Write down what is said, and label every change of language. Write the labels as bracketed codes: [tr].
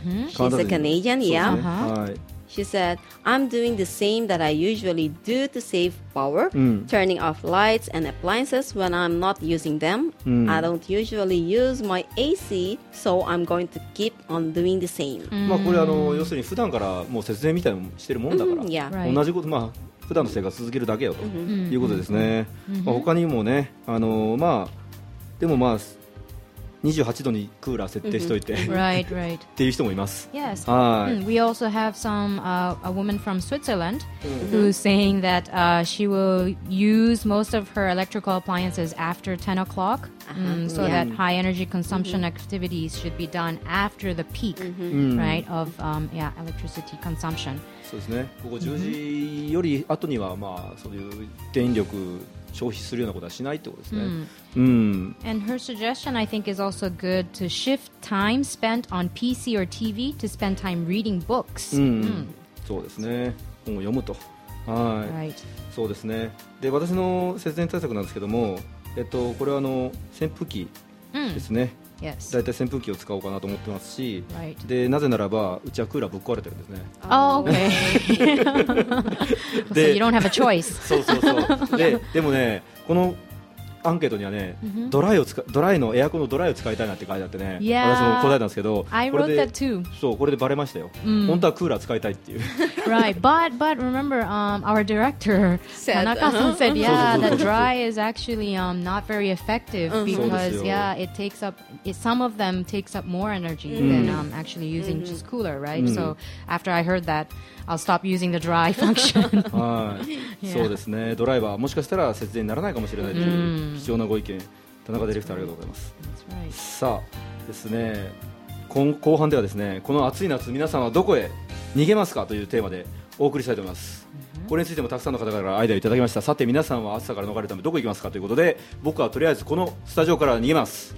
[en] She's a Canadian, yeah. She said, I'm doing the same that I usually do to save power, turning off lights and appliances when I'm not using them. I don't usually use my AC, so I'm going to keep on doing the same. [ja] まあこれ要するに普段からもう節電みたいなのしてるもんだから、同じこと、まあ普段の生活続けるだけよということですね。他にもね、でもまあ 28度にクーラー設定しといて、 [en] mm-hmm. right, right. [ja] っていう人もいます。 [en] Yes. We also have some, a woman from Switzerland who's saying that, she will use most of her electrical appliances after 10 o'clock so that high energy consumption activities should be done after the peak right, of electricity consumption. [ja] そうですね。ここ10時より後には、まあ、そういう電力消費するようなことはしないってことですね。 [en] And her suggestion, I think, is also good to shift time spent on PC or TV to spend time reading books. [ja] そうですね。本を読むと。はい。 [en] Right. [ja] そうですね。で、私の節電対策なんですけども、これはあの扇風機ですね。 [en] Yes. [ja] だいたい扇風機を使おうかなと思ってますし、 [en] right. [ja] でなぜならばうちはクーラーぶっ壊れてるんですね。 [en] Oh, okay. So you don't have a choice. [ja] そうそうそう。でもね、このアンケートにはね、ドライを使、ドライのエアコンのドライを使いたいなって書いてあってね、私も答えたんですけど、 [en] I wrote that too. [ja] そう、これでバレましたよ。本当はクーラー使いたいっていう。 [en] Right, but remember, our director Tanaka-san said, yeah, that dry is actually not very effective because yeah, it takes up some of them takes up more energy than actually using just cooler, right? So after I heard that, I'll stop using the dry function. [ja] はい、そうですね。ドライはもしかしたら節電にならないかもしれないという貴重なご意見、田中ディレクターありがとうございます。さあですね、後半ではですね、この暑い夏皆さんはどこへ逃げますかというテーマでお送りしたいと思います。これについてもたくさんの方からアイデアをいただきました。さて皆さんは暑さから逃れるためどこ行きますかということで、僕はとりあえずこのスタジオから逃げます。